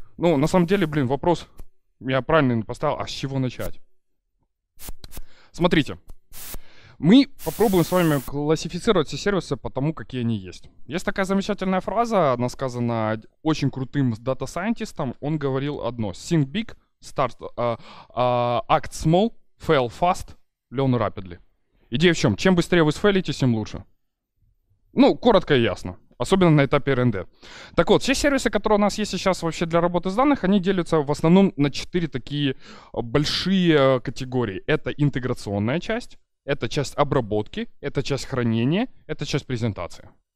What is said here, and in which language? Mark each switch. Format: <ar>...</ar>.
<ru>Ну, на самом деле, блин, вопрос... Я правильно поставил, а с чего начать? Смотрите, мы попробуем с вами классифицировать все сервисы по тому, какие они есть. Есть такая замечательная фраза, она сказана очень крутым дата-сайентистом. Он говорил одно:</ru> <en>Think big, start, act small, fail fast, learn rapidly.</en> <ru>Идея в чем? Чем быстрее вы сфейлите, тем лучше. Ну, коротко и ясно. Особенно на этапе R&D. Так вот, все сервисы, которые у нас есть сейчас вообще для работы с данных, они делятся в основном на 4 такие большие категории. Это интеграционная часть, это часть обработки, это часть хранения, это часть презентации.</ru>